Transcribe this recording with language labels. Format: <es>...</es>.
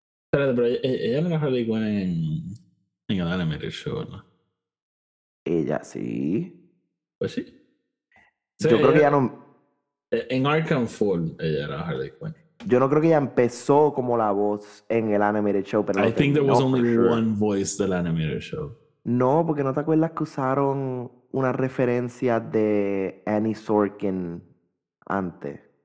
<es>Pero ella no era Harley Quinn en el</es> <en>animated show,</en> <es>¿no? Ella sí. Pues sí.</es> <en>So</en> <es>yo creo que ya no. En Arkham Fall, ella era Harley Quinn. Yo no creo que ya empezó como la voz en el</es> <en>animated show,</en> <es>pero</es> <en>I think there was only one voice</en> <es>del</es> <en>animated show.</en> <es>No, porque no te acuerdas que usaron una referencia de Annie Sorkin antes.</es>